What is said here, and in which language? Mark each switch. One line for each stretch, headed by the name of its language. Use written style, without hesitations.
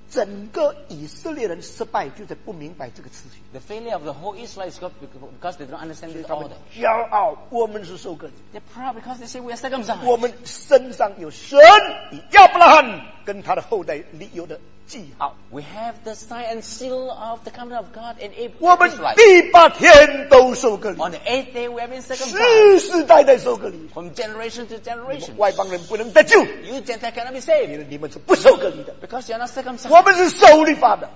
Chinese: 整个以色列人失败就在不明白这个次序。
English: The failure of the whole Israel is because they don't understand this order.
Chinese: 骄傲，我们是受割礼。
English: They're proud because they say we are circumcised.
Chinese: 我们身上有神与亚伯拉罕跟他的后代立约的。
English: We have the sign and seal of the covenant of God in Israel.
Chinese: 我们第八天都受割礼。
English: On the eighth day we have been circumcised.
Chinese: 世世代代受割礼。
English: From generation to generation.
Chinese: 外邦人不能得救。
English: You Gentile cannot be saved.
Chinese: 你们是不受割礼的。
English: Because you are not circumcised.
Chinese: 我们是守律法的。